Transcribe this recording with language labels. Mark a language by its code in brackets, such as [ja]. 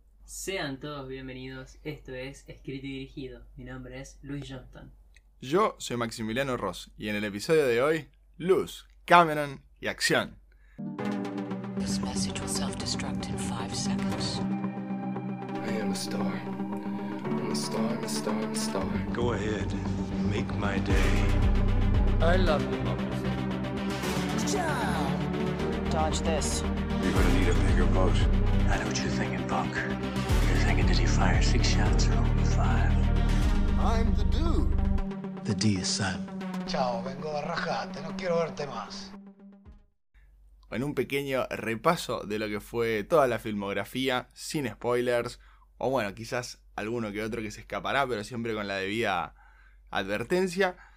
[es] Sean todos bienvenidos, esto es Escrito y Dirigido, mi nombre es Luis Johnston. Yo soy Maximiliano Ross y en el episodio de hoy, luz, Cameron y acción. [en] This message will self-destruct in 5 seconds. I am a star. I'm a star, I'm a star, I'm a star. Go ahead, make my day. I love you, Mom. Dodge this. You're gonna need a bigger boat. I know what you're thinking, Buck. You're thinking, did he fire 6 shots or only 5? I'm the dude. The D is Sam. [es] Chao, vengo a rajarte, no quiero verte más. En un pequeño repaso de lo que fue toda la filmografía, sin spoilers, o bueno, quizás alguno que otro que se escapará, pero siempre con la debida advertencia.